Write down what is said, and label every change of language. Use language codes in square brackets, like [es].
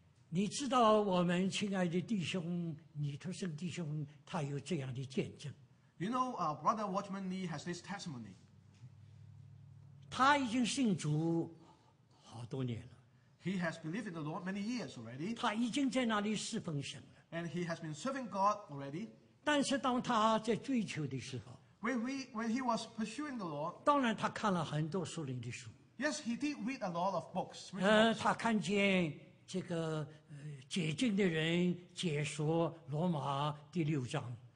[zh] 你知道我们亲爱的弟兄尼特森弟兄他有这样的见证。 [en] You know, Brother Watchman Lee has this testimony. [zh] 他已经信主好多年了。 [en] He has believed in the Lord many years already. [zh] 他已经在那里侍奉神了。 [en] And he has been serving God already. [zh] 但是当他在追求的时候, [en] when he was pursuing the Lord, [zh] 当然他看了很多属灵的书。 [en] Yes, he did read a lot of books. [zh] 他看见这个解经的人解说罗马第六章。